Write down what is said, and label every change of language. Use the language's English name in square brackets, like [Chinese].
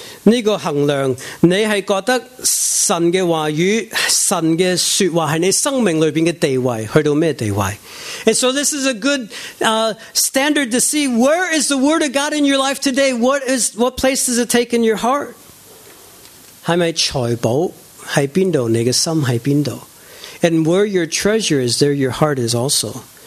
[Chinese] 这个衡量，你是觉得神的话语、神的说话是你生命里面的地位，去到什么地位？ [English] And so this is a good standard to see, where is the word of God in your life today? What place does it take in your heart? [Chinese] 是不是财宝在哪里？你的心在哪里？ [English] And where your treasure is, there your heart is also.